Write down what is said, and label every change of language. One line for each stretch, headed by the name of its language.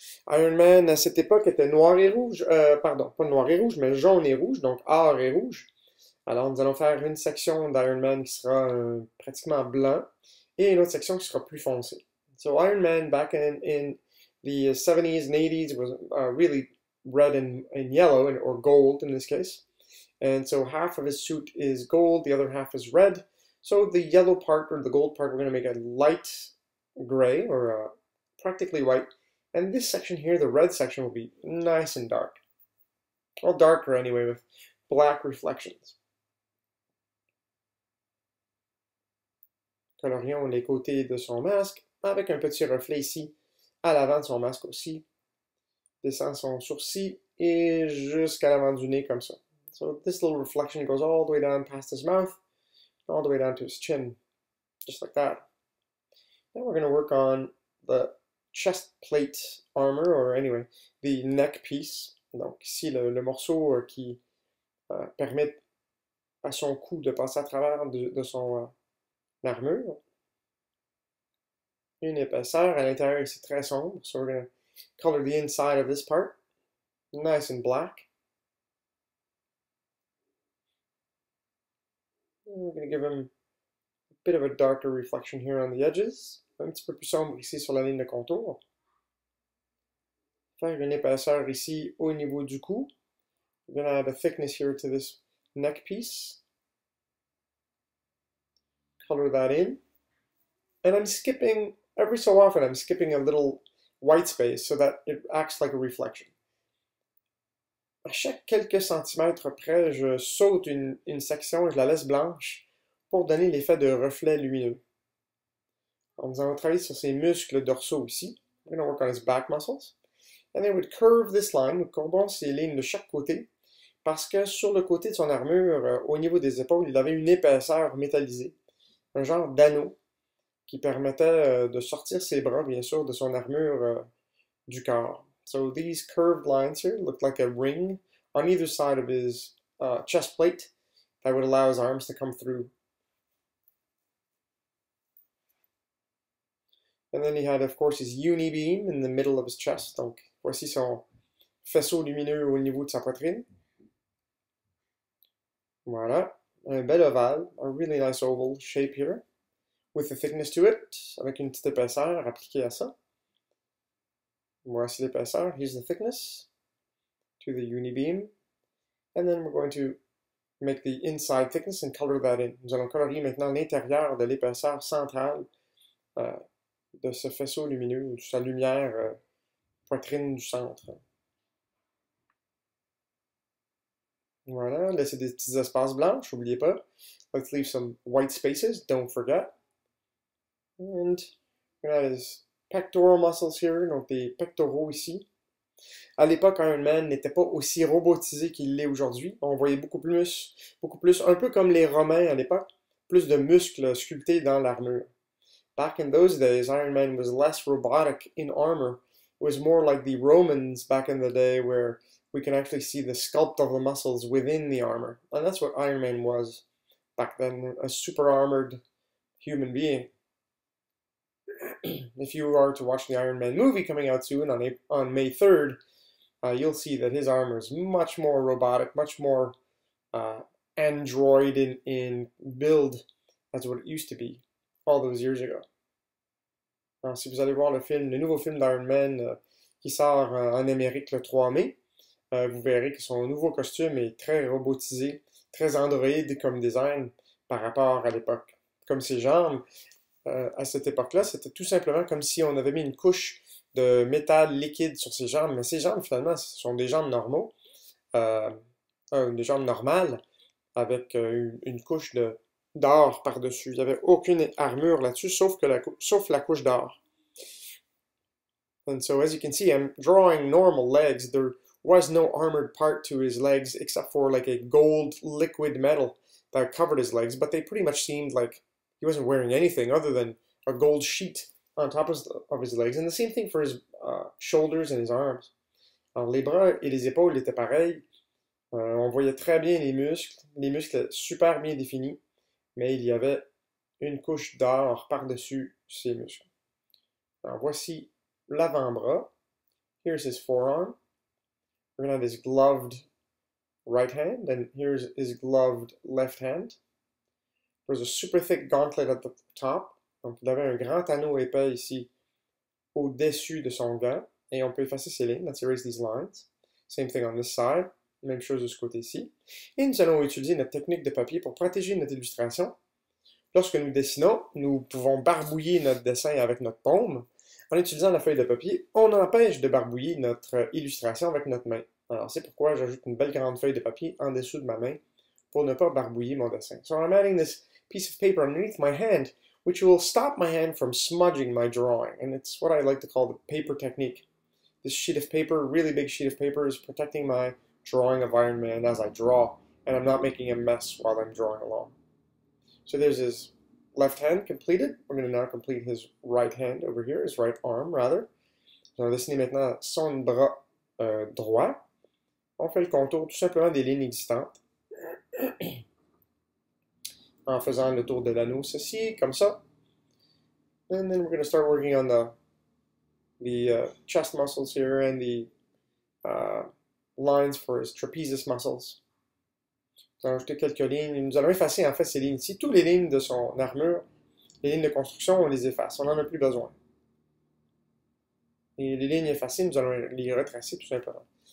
French: Iron Man, à cette époque, était noir et rouge. Pas noir et rouge, mais jaune et rouge, donc or et rouge. Alors, nous allons faire une section d'Iron Man qui sera pratiquement blanc et une autre section qui sera plus foncée.
English: So Iron Man back in the 70s and 80s was really red and yellow, or gold in this case. And so half of his suit is gold, the other half is red. So the yellow part or the gold part we're going to make a light gray or practically white. And this section here, the red section, will be nice and dark. Well, darker anyway with black reflections.
French: Colorions les côtés de son masque. Avec un petit reflet ici, à l'avant de son masque aussi. Descend son sourcil et jusqu'à l'avant du nez comme ça.
English: So this little reflection goes all the way down past his mouth, all the way down to his chin, just like that. Now we're going to work on the chest plate armor, or anyway, the neck piece.
French: Donc ici, le morceau qui permet à son cou de passer à travers de son armure. une épaisseur à l'intérieur ici très sombre.
English: So we're going to color the inside of this part nice and black. And we're going to give him a bit of a darker reflection here on the edges.
French: Un petit peu plus sombre ici sur la ligne de contour. Faire une épaisseur ici au niveau du cou.
English: We're going to add a thickness here to this neck piece. Color that in. And I'm skipping, every so often, I'm skipping a little white space so that it acts like a reflection.
French: À chaque quelques centimètres près, je saute une section et je la laisse blanche pour donner l'effet de reflet lumineux. En faisant travailler sur ses muscles dorsaux ici,
English: we're going to work on his back muscles. And then we curve this line,
French: nous courbons ces lignes de chaque côté, parce que sur le côté de son armure, au niveau des épaules, il avait une épaisseur métallisée, un genre d'anneau qui permettait de sortir ses bras, bien sûr, de son armure du corps.
English: So these curved lines here look like a ring on either side of his chest plate that would allow his arms to come through. And then he had, of course, his uni beam in the middle of his chest.
French: Donc, voici son faisceau lumineux au niveau de sa poitrine. Voilà, un bel ovale,
English: a really nice oval shape here, with a thickness to it,
French: avec une petite épaisseur appliquée à ça. Voici l'épaisseur,
English: here's the thickness to the uni beam. And then we're going to make the inside thickness and color that in.
French: Nous allons colorier maintenant l'intérieur de l'épaisseur centrale de ce faisceau lumineux, de sa lumière poitrine du centre. Voilà, laissez des petits espaces blancs, n'oubliez pas.
English: Let's leave some white spaces, don't forget. And we got his pectoral muscles here,
French: donc des pectoraux ici. À l'époque, IronMan n'était pas aussi robotisé qu'il l'est aujourd'hui. On voyait beaucoup plus, un peu comme les Romains à l'époque, plus de muscles sculptés dans l'armure.
English: Back in those days, IronMan was less robotic in armor. It was more like the Romans back in the day where we can actually see the sculpt of the muscles within the armor. And that's what Iron Man was back then, a super armored human being. If you are to watch the Iron Man movie coming out soon on May 3rd, you'll see that his armor is much more robotic, much more android in build as what it used to be all those years ago.
French: Alors, si vous allez voir le nouveau film d'Iron Man qui sort en Amérique le 3 mai, vous verrez que son nouveau costume est très robotisé, très androïde comme design par rapport à l'époque. Comme ses jambes, à cette époque-là, c'était tout simplement comme si on avait mis une couche de métal liquide sur ses jambes. Mais ses jambes, finalement, ce sont des jambes normaux, des jambes normales, avec une couche d'or par-dessus. Il n'y avait aucune armure là-dessus, sauf la couche d'or.
English: And so, as you can see, I'm drawing normal legs. There was no armored part to his legs, except for like a gold liquid metal that covered his legs, but they pretty much seemed like he wasn't wearing anything other than a gold sheet on top of his legs. And the same thing for his shoulders and his arms.
French: Alors, les bras et les épaules étaient pareils. On voyait très bien les muscles super bien définis. Mais il y avait une couche d'or par-dessus ses muscles. Alors voici l'avant-bras.
English: Here's his forearm. We're going to have his gloved right hand. And here's his gloved left hand. There's a super thick gauntlet at the top.
French: Donc il avait un grand anneau épais ici au-dessus de son gant. Et on peut effacer ces lignes.
English: Let's erase these lines. Same thing on this side.
French: Même chose de ce côté-ci. Et nous allons utiliser notre technique de papier pour protéger notre illustration. Lorsque nous dessinons, nous pouvons barbouiller notre dessin avec notre paume. En utilisant la feuille de papier, on empêche de barbouiller notre illustration avec notre main. Alors, c'est pourquoi j'ajoute une belle grande feuille de papier en dessous de ma main pour ne pas barbouiller mon dessin.
English: So I'm adding this piece of paper underneath my hand, which will stop my hand from smudging my drawing. And it's what I like to call the paper technique. This sheet of paper, really big sheet of paper, is protecting my drawing of Iron Man as I draw, and I'm not making a mess while I'm drawing along. So there's his left hand completed. We're going to now complete his right hand over here, his right arm rather.
French: On va dessiner maintenant son bras droit. On fait le contour tout simplement des lignes existantes. En faisant le tour de l'anneau, ceci, comme ça.
English: And then we're going to start working on the chest muscles here and the lines for his trapezius muscles.
French: Nous allons ajouter quelques lignes. Nous allons effacer en fait ces lignes. Si toutes les lignes de son armure, les lignes de construction, on les efface. On n'en a plus besoin. Et les lignes effacées, nous allons les retracer tout simplement.